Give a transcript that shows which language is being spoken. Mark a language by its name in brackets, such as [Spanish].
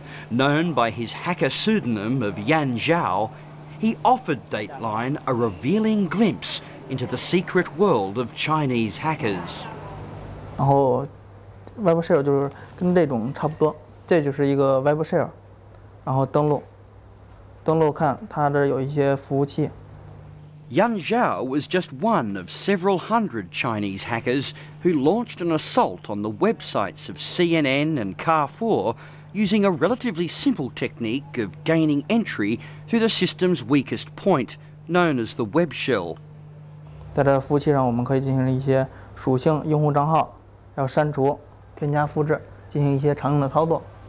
[English] Known by his hacker pseudonym of Yan Zhao, he offered Dateline a revealing glimpse into the secret world of Chinese hackers. [Chinese] 然后 Web Share 就是跟这种差不多，这就是一个 Web Share。然后登录看他这有一些服务器。 [English] Yan Zhao was just one of several hundred Chinese hackers who launched an assault on the websites of CNN and Carrefour using a relatively simple technique of gaining entry through the system's weakest point, known as the web shell. [Chinese] 在这服务器上，我们可以进行一些属性、用户账号要删除、添加、复制，进行一些常用的操作。